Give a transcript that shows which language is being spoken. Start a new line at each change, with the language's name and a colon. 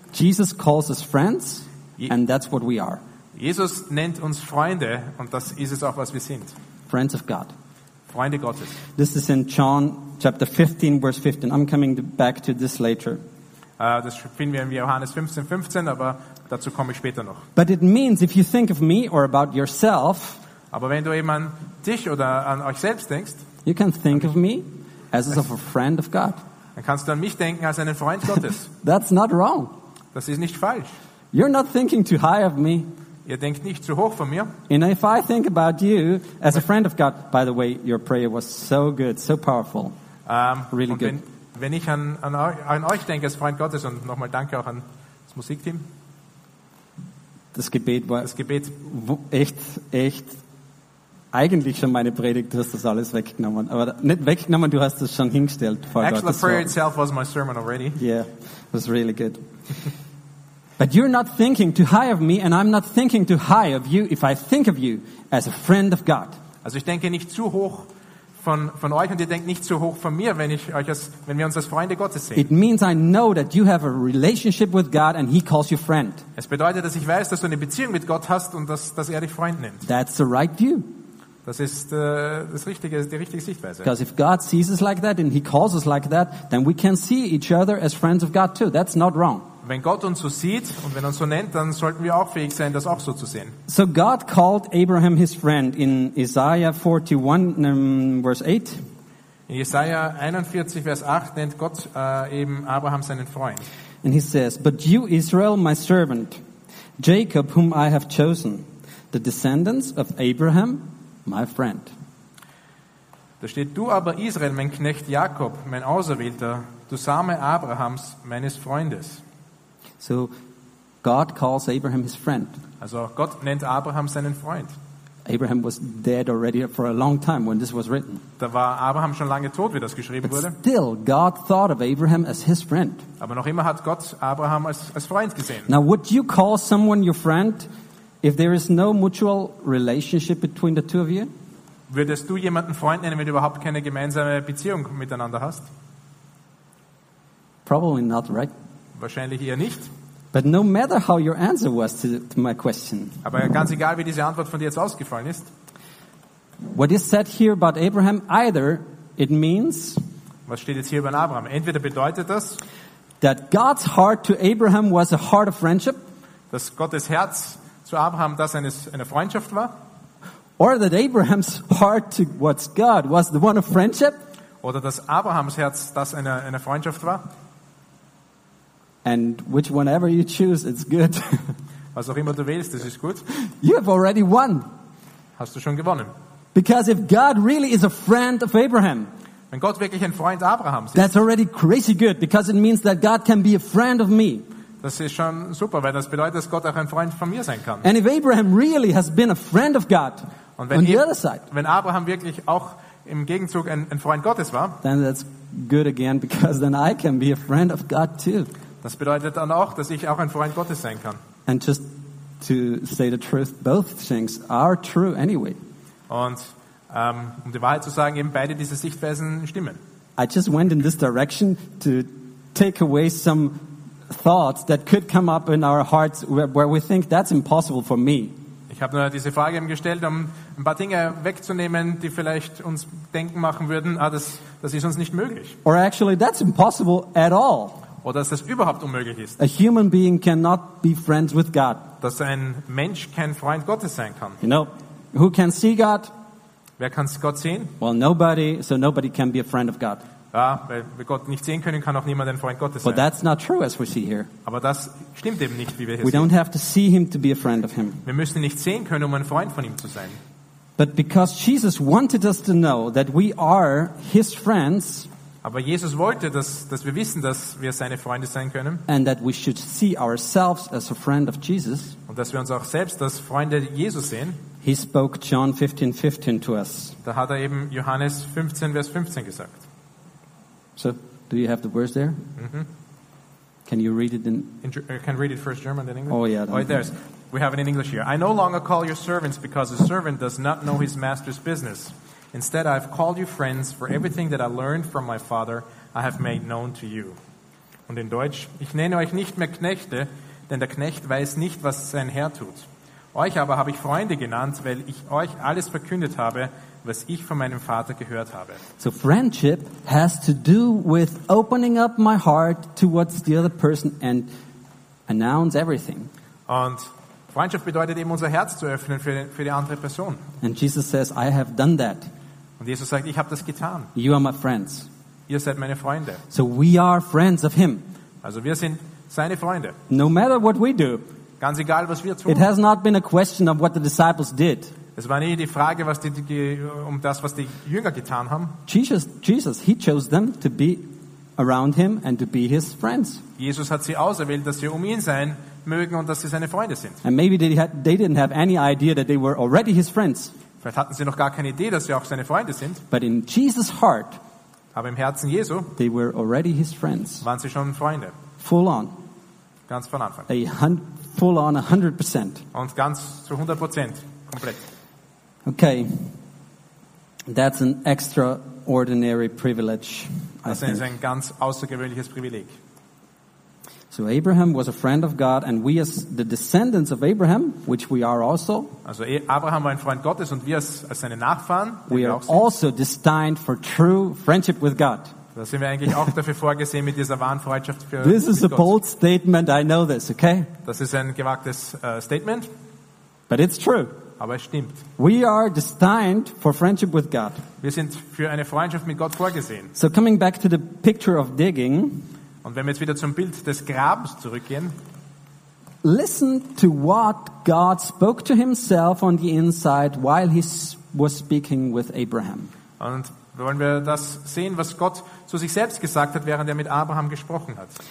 English: Jesus calls us friends, and that's what we are.
German: Jesus nennt uns Freunde, und das ist es auch, was wir sind.
English: Friends of God.
German: Freunde Gottes.
English: This is in John chapter 15, verse 15. I'm coming back to this later.
German: Das finden wir in Johannes 15:15, aber dazu komme ich später noch.
English: But it means, if you think of me or about yourself,
German: aber wenn du eben an dich oder an euch selbst denkst,
English: you can think of me as of a friend of God.
German: Dann kannst du an mich denken als einen Freund Gottes.
English: That's not wrong.
German: Das ist nicht falsch.
English: You're not thinking too high of me.
German: Ihr denkt nicht zu hoch von mir.
English: And if I think about you as a friend of God, by the way, your prayer was so good, so powerful, really
German: und
English: good.
German: Wenn ich an euch denke als Freund Gottes und nochmal danke auch an das Musikteam. Das Gebet war das Gebet echt eigentlich schon meine Predigt, du hast das alles weggenommen. Aber nicht weggenommen, du hast es schon hingestellt.
English: Actually, the prayer itself was my sermon already. Yeah, it was really good. But you're not thinking too high of me, and I'm not thinking too high of you if I think of you as a friend of God.
German: Also ich denke nicht zu hoch von euch, und ihr denkt nicht zu hoch von mir, wenn wir uns als Freunde Gottes sehen.
English: It means I know that you have a relationship with God and he calls you friend.
German: Es bedeutet, dass ich weiß, dass du eine Beziehung mit Gott hast und dass er dich Freund nennt.
English: That's the right view.
German: Das ist die richtige Sichtweise.
English: Because if God sees us like that and he calls us like that, then we can see each other as friends of God too. That's not wrong.
German: Wenn Gott uns so sieht und wenn er uns so nennt, dann sollten wir auch fähig sein, das auch so zu sehen.
English: So God called Abraham his friend in Isaiah 41, verse 8. In Isaiah 41, verse 8
German: nennt Gott eben Abraham seinen Freund.
English: And he says, but you Israel, my servant, Jacob, whom I have chosen, the descendants of Abraham, my friend.
German: Da steht, du aber Israel, mein Knecht Jakob, mein Auserwählter, du Same Abrahams, meines Freundes.
English: So God calls Abraham his friend.
German: Also Gott nennt Abraham seinen Freund.
English: Abraham was dead already for a long time when this was written.
German: Da war Abraham schon lange tot, wie das geschrieben
English: but
German: wurde.
English: Still God thought of Abraham as his friend.
German: Aber noch immer hat Gott Abraham als Freund gesehen.
English: Now would you call someone your friend if there is no mutual relationship between the two of you?
German: Würdest du jemanden Freund nennen, wenn du überhaupt keine gemeinsame Beziehung miteinander hast?
English: Probably not, right?
German: Wahrscheinlich eher nicht.
English: But no matter how your answer was to my question.
German: Aber ganz egal, wie diese Antwort von dir jetzt ausgefallen ist.
English: What is said here about Abraham, either it means.
German: Was steht jetzt hier über Abraham? Entweder bedeutet das.
English: That God's heart to Abraham was a heart of friendship.
German: Dass Gottes Herz zu Abraham das eine Freundschaft war.
English: Or that Abraham's heart towards God was the one of friendship.
German: Oder dass Abrahams Herz das eine Freundschaft war.
English: And whichever you choose, it's good.
German: Was auch immer du willst, das ist gut.
English: You have already won.
German: Hast du schon gewonnen?
English: Because if God really is a friend of Abraham,
German: wenn Gott wirklich ein Freund Abrahams ist,
English: that's already crazy good, because it means that God can be a friend of me.
German: Das ist schon super, weil das bedeutet, dass Gott auch ein Freund von mir sein kann.
English: And if Abraham really has been a friend of God,
German: und wenn Abraham wirklich auch im Gegenzug ein Freund Gottes war,
English: then that's good again, because then I can be a friend of God too.
German: Das bedeutet dann auch, dass ich auch ein Freund Gottes sein kann.
English: And just to say the truth, both things are true anyway.
German: Und um die Wahrheit zu sagen, eben beide diese Sichtweisen stimmen.
English: I just went in this direction to take away some thoughts that could come up in our hearts where we think that's impossible for me.
German: Ich habe nur diese Frage eben gestellt, um ein paar Dinge wegzunehmen, die vielleicht uns denken machen würden, das ist uns nicht möglich.
English: Or actually that's impossible at all.
German: Oder dass das überhaupt unmöglich ist.
English: A human being cannot be friends with God.
German: Dass ein Mensch kein Freund Gottes sein kann.
English: You know, who can see God?
German: Wer kann Gott sehen?
English: Well, nobody. So nobody can be a friend of God.
German: Ja, weil wir Gott nicht sehen können, kann auch niemand ein Freund Gottes
English: but But that's not true, as we see here.
German: Aber das stimmt eben nicht, wie wir hier
English: we
German: sehen.
English: We don't have to see him to be a friend of him.
German: Wir müssen nicht sehen können, um ein Freund von ihm zu sein.
English: But because Jesus wanted us to know that we are his friends.
German: Aber Jesus wollte, dass wir wissen, dass wir seine Freunde sein können.
English: And that we should see ourselves as a friend of Jesus.
German: Und dass wir uns auch selbst als Freunde Jesus sehen.
English: He spoke John 15:15 to us.
German: Da hat er eben Johannes 15, Vers 15 gesagt.
English: So, do you have the words there? Mm-hmm. Can you read it in can read it first German, then English? Oh, yeah. Right, oh, there's. We have it in English here. I no longer call you servants because a servant does not know his master's business. Instead, I have called you friends, for everything that I learned from my Father, I have made known to you.
German: Und in Deutsch, ich nenne euch nicht mehr Knechte, denn der Knecht weiß nicht, was sein Herr tut. Euch aber habe ich Freunde genannt, weil ich euch alles verkündet habe, was ich von meinem Vater gehört habe.
English: So friendship has to do with opening up my heart towards the other person and announce everything.
German: Und Freundschaft bedeutet eben, unser Herz zu öffnen für die andere Person.
English: And Jesus says, I have done that.
German: Und Jesus sagt, ich habe das getan.
English: You are my friends.
German: Ihr seid meine Freunde.
English: So we are friends of him.
German: Also wir sind seine Freunde.
English: No matter what we do.
German: Ganz egal, was wir tun.
English: It has not been a question of what the disciples did.
German: Es war nie die Frage, was die Jünger getan haben.
English: Jesus, he chose them to be around him and to be his friends.
German: Jesus hat sie auserwählt, dass sie um ihn sein mögen und dass sie seine Freunde sind.
English: And maybe they didn't have any idea that they were already his friends.
German: Vielleicht hatten sie noch gar keine Idee, dass sie auch seine Freunde sind.
English: But in Jesus' heart,
German: aber im Herzen Jesu,
English: they were already his friends.
German: Waren sie schon Freunde.
English: Full on.
German: Ganz von Anfang.
English: Full on 100%.
German: Und ganz zu 100%. Komplett.
English: Okay. That's an extraordinary privilege.
German: Das ist ein ganz außergewöhnliches Privileg.
English: So Abraham was a friend of God, and we as the descendants of Abraham, which we are also.
German: Also Abraham war ein Freund Gottes, und wir als seine Nachfahren,
English: we are also destined for true friendship with God.
German: Da sind wir eigentlich auch dafür vorgesehen mit dieser wahren Freundschaft für
English: This is a bold statement. I know this. Okay.
German: Das ist ein gewagtes Statement.
English: But it's true.
German: Aber es stimmt.
English: We are destined for friendship with God.
German: Wir sind für eine Freundschaft mit Gott vorgesehen.
English: So coming back to the picture of digging.
German: Und wenn wir jetzt wieder zum Bild des Grabens zurückgehen.
English: Listen to what God spoke to himself on the inside while he was speaking with Abraham.
German: Und wollen wir das sehen, was Gott zu sich selbst gesagt hat, während er mit Abraham gesprochen hat.